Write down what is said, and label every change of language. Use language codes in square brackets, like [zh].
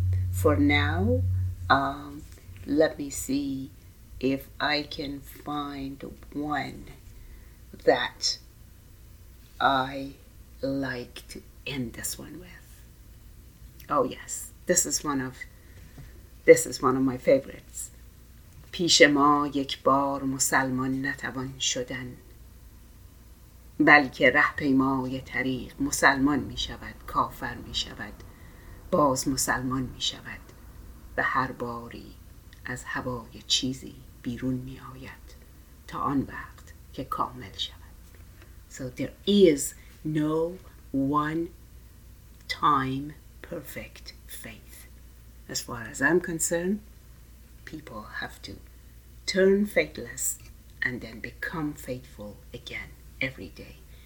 [en] For now, let me see if I can find one that I like to end this one with. Oh yes, this is one of my favorites. [fa] پیش ما یک بار مسلمان نتوان شدن، بلکه راهپیمای طریق مسلمان می شود، کافر می شود، باز مسلمان می شود و هر باری از هوای چیزی بیرون می آید تا آن وقت که کامل شود. [en] So there is no one time perfect faith. As far as I'm concerned, people have to turn faithless and then become faithful again every day.